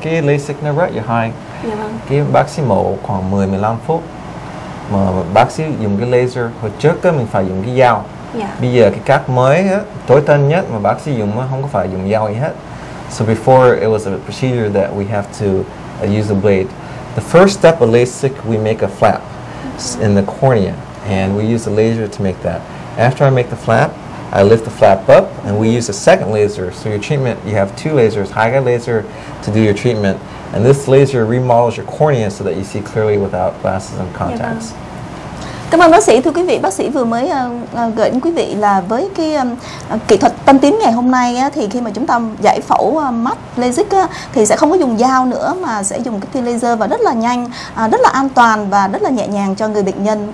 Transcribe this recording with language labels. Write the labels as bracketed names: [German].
[Vietnamese] Dạ, cái Lasik nó rất là hay. Dạ vâng. Cái bác sĩ mổ khoảng 10-15 phút. Mà bác sĩ dùng cái laser, hồi trước mình phải dùng cái dao. Dạ. Bây giờ cái cách mới, tối tân nhất mà bác sĩ dùng không có phải dùng dao gì hết. [English] So before it was a procedure that we have to use a blade. The first step of Lasik, we make a flap in the cornea. And we use a laser to make that. After I make the flap, I lift the flap up, and we use a second laser. So your treatment, you have two lasers, high guide laser to do your treatment, and this laser remodels your cornea so that you see clearly without glasses and contacts. [Vietnamese] Cảm ơn bác sĩ. Thưa quý vị, bác sĩ vừa mới gửi đến quý vị là với cái kỹ thuật tân tiến ngày hôm nay thì khi mà chúng ta giải phẫu mắt Lasik thì sẽ không có dùng dao nữa, mà sẽ dùng cái tia laser, và rất là nhanh, rất là an toàn và rất là nhẹ nhàng cho người bệnh nhân.